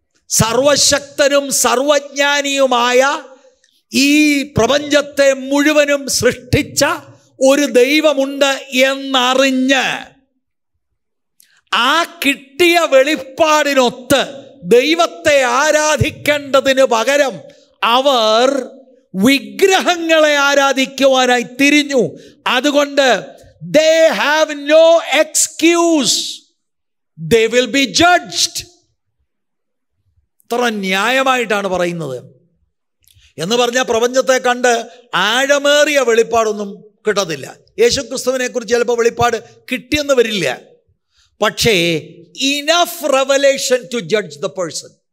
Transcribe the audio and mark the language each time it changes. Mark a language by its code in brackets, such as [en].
[ml] സർവശക്തനും സർവജ്ഞാനിയുമായ ഈ പ്രപഞ്ചത്തെ മുഴുവനും സൃഷ്ടിച്ച ഒരു ദൈവമുണ്ട് എന്നറിഞ്ഞ് ആ കിട്ടിയ വെളിപ്പാടിനൊത്ത് ദൈവത്തെ ആരാധിക്കേണ്ടതിന് പകരം അവർ വിഗ്രഹങ്ങളെ ആരാധിക്കുവാനായി തിരിഞ്ഞു. അതുകൊണ്ട് [en] they have no excuse, they will be judged. [ml] ഇത്ര ന്യായമായിട്ടാണ് പറയുന്നത് എന്ന് പറഞ്ഞ പ്രപഞ്ചത്തെ കണ്ട് ആഴമേറിയ വെളിപ്പാടൊന്നും കിട്ടത്തില്ല. യേശു ക്രിസ്തുവിനെ കുറിച്ച് ചിലപ്പോൾ വെളിപ്പാട് കിട്ടിയെന്ന് വരില്ല. പക്ഷേ [en] enough revelation to judge the person.